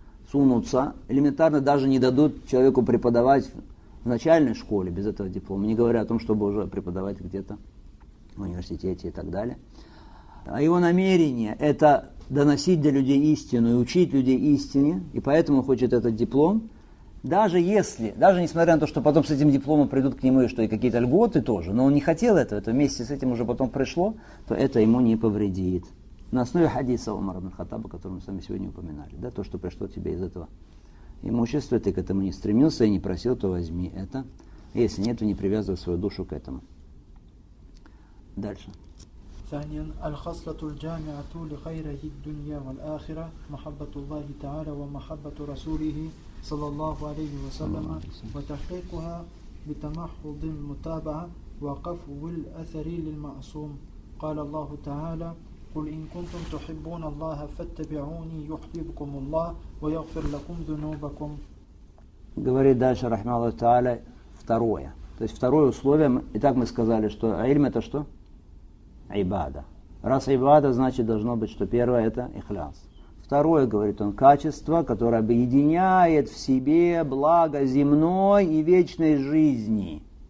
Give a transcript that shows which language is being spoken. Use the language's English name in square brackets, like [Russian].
[Russian] сунуться, элементарно даже не дадут человеку преподавать в начальной школе без этого диплома, не говоря о том, чтобы уже преподавать где-то в университете и так далее, а его намерение – это доносить до людей истину и учить людей истине, и поэтому он хочет этот диплом, даже если, даже несмотря на то, что потом с этим дипломом придут к нему и что и какие-то льготы тоже, но он не хотел этого, это вместе с этим уже потом пришло, то это ему не повредит. На основе хадиса Умара ибн Хаттаба, который мы с вами сегодня упоминали, да, то, что пришло тебе из этого имущества, ты к этому не стремился и не просил, то возьми это. Если нет, то не привязывай свою душу к этому. Дальше. [Arabic] ثانيا الخصلة الجامعة لخيره الدنيا والآخرة محبة الله تعالى ومحبة رسوله صلى الله عليه وسلم وتحقيقها بتمحض المتابعة وقفو الأثر للمعصوم قال الله تعالى قل إن كنتم تحبون الله فاتبعوني يحببكم الله ويغفر لكم ذنوبكم. [Russian] говорит дальше [Arabic] رحمه الله تعالى [Russian] второе, то есть второе условие. Итак, мы сказали, что ильм это что? Айбада. Раз айбада, значит, должно быть, что первое – это ихляс. Второе, говорит он, качество, которое объединяет в себе благо земной и вечной жизни.